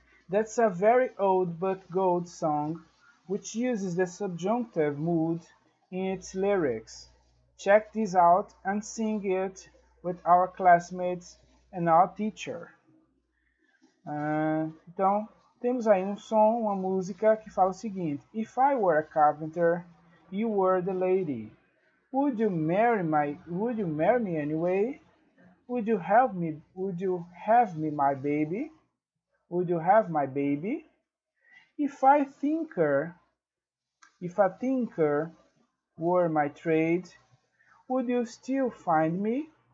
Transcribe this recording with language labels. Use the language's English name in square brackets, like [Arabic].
[English] That's a very old but gold song, which uses the subjunctive mood in its lyrics. Check this out and sing it with our classmates and our teacher. [Portuguese] Então, temos aí um som, uma música que fala o seguinte. [English] If I were a carpenter, you were the lady. Would you marry me anyway? Would you have me my baby? Would you have my baby? If a thinker were my trade, would you still find me?